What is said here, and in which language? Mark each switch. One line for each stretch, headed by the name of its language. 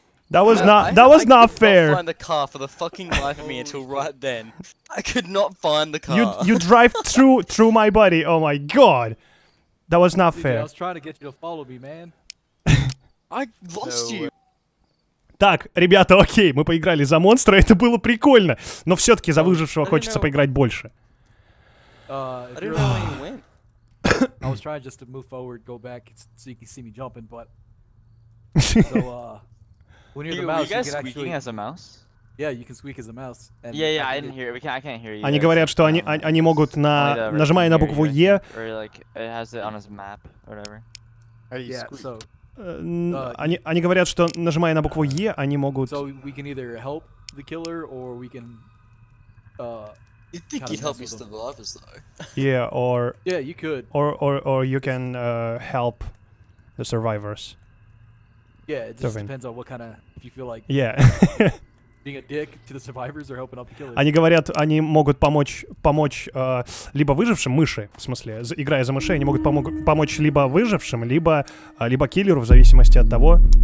English: That was not fair. I could not find the car for the fucking life of me until right then. I could not find the car. You drive through my buddy, oh my god. That was not fair. I was trying to get you to follow me, man. I lost you.
Russian: Так, ребята, окей, мы поиграли за монстра, это было прикольно, но все-таки за выжившего хочется поиграть больше.
English: I was trying just to move forward, go back, so you can see me jumping, but... When you're the mouse, you can actually... Are you guys squeaking as a mouse? Yeah, you can squeak as a mouse. Yeah, I didn't hear it, I can't hear you.
Russian: Они говорят, что они могут, нажимая на букву E...
English: Or like, it has it on his map, whatever. Yeah, so...
Russian: Они говорят, что нажимая на букву Е, они могут.
English: So we can either help the killer or we can. You think you'd help your survivors though? Yeah, or. Yeah, you could. Or you can help the survivors. Yeah, it just depends on what kind of if you feel like. Yeah. being a dick to the survivors or helping out the killer.
Russian: Они говорят, они могут помочь либо выжившим, мыши, в смысле, играя за мышей, они могут помочь либо выжившим, либо киллеру, в зависимости от того.